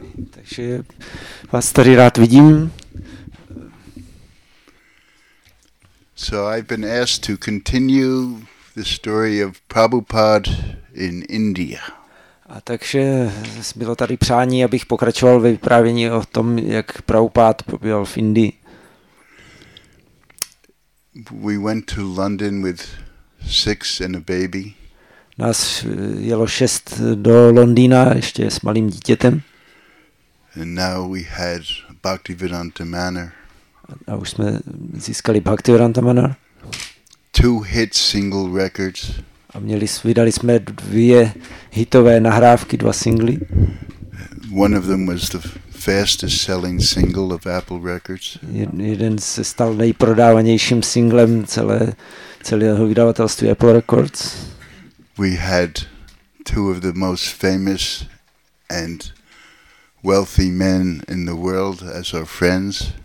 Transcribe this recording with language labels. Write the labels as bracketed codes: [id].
[cs] Takže vás tady rád vidím. [en] So I've been asked to continue the story of Prabhupada in India. [cs] A takže bylo tady přání, abych pokračoval ve vyprávění o tom, jak Prabhupád pobýval v Indii. [en] We went to London with six and a baby. [cs] Nás jelo šest do Londýna ještě s malým dítětem. [en] And now we had Bhaktivedanta Manor. [cs] A už jsme získali Bhaktivedanta Manor. [en] Two hit single records. [cs] A vydali jsme dvě hitové nahrávky, dva singly. [en] One of them was the fastest selling single of Apple Records. [cs] Jeden se stal nejprodávanějším singlem celého vydavatelství Apple Records. [en] We had two of the most famous and wealthy men in the world as our friends.